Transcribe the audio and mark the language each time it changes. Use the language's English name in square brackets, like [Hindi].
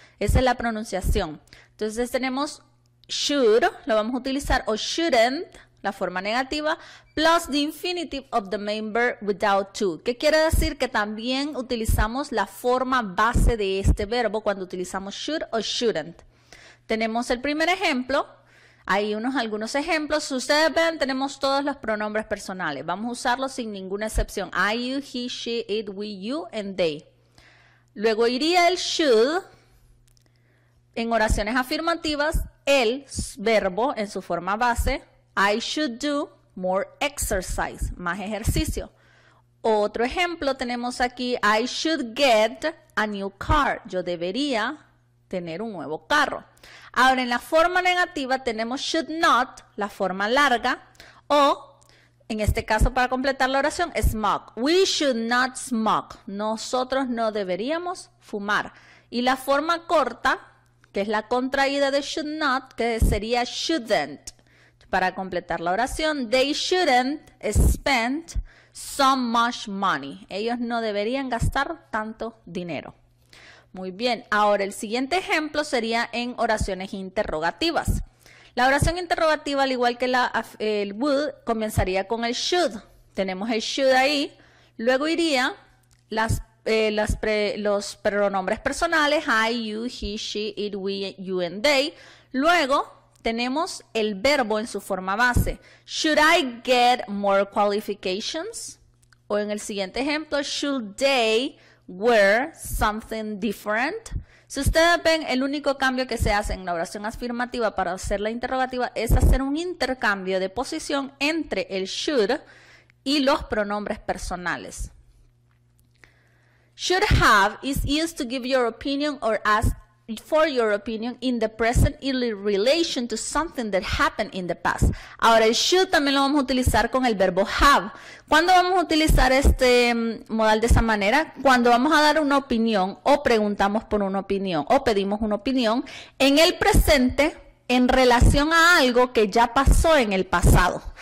[Spanish] Esa es la pronunciación. Entonces tenemos should, lo vamos a utilizar, o shouldn't, la forma negativa, [English] plus the infinitive of the main verb without to. [Spanish] ¿Qué quiere decir? Que también utilizamos la forma base de este verbo cuando utilizamos should o shouldn't. Tenemos el primer ejemplo. Hay algunos ejemplos. Si ustedes ven, tenemos todos los pronombres personales. Vamos a usarlos sin ninguna excepción. [English] I, you, he, she, it, we, you, and they. [Spanish] Luego iría el should en oraciones afirmativas. El verbo en su forma base. [English] I should do more exercise. [Spanish] Más ejercicio. Otro ejemplo tenemos aquí. [English] I should get a new car. [Spanish] Yo debería tener un nuevo carro. Ahora, en la forma negativa tenemos should not, la forma larga, o en este caso para completar la oración, smoke. [English] We should not smoke. [Spanish] Nosotros no deberíamos fumar. Y la forma corta, que es la contraída de should not, que sería shouldn't. Para completar la oración, [English] they shouldn't spend so much money. [Spanish] Ellos no deberían gastar tanto dinero. Muy bien, ahora el siguiente ejemplo sería en oraciones interrogativas. La oración interrogativa, al igual que el would, comenzaría con el should. Tenemos el should ahí. Luego iría los pronombres personales, [English] I, you, he, she, it, we, you, and they. [Spanish] Luego tenemos el verbo en su forma base. [English] Should I get more qualifications? [Spanish] O en el siguiente ejemplo, [English] should they wear something different? [Spanish] Si ustedes ven, el único cambio que se hace en la oración afirmativa para hacer la interrogativa es hacer un intercambio de posición entre el should y los pronombres personales. [English] Should have is used to give your opinion or ask for your opinion in the present in relation to something that happened in the past. [Spanish] Ahora, el should también lo vamos a utilizar con el verbo have. ¿Cuándo vamos a utilizar este modal de esa manera? Cuando vamos a dar una opinión o preguntamos por una opinión o pedimos una opinión en el presente en relación a algo que ya pasó en el pasado.